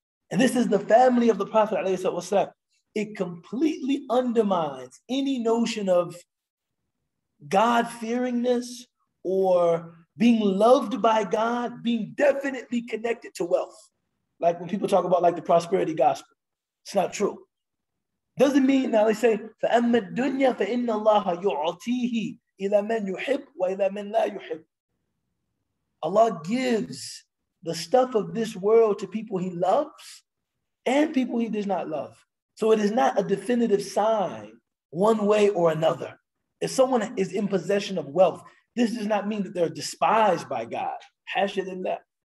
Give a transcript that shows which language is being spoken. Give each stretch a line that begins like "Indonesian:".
English: And this is the family of the Prophet alayhi salam. It completely undermines any notion of God-fearingness or being loved by God, being definitely connected to wealth. Like when people talk about like the prosperity gospel, it's not true. Doesn't mean, now they say,
Arabic: فَأَمَّا الدُّنْيَا فَإِنَّ اللَّهَ يُعْطِيهِ إِلَى مَنْ يُحِبْ وَإِلَى مَنْ لَا يُحِبْ.
English: Allah gives the stuff of this world to people he loves and people he does not love. So it is not a definitive sign one way or another. If someone is in possession of wealth, this does not mean that they're despised by God. Hashadillah.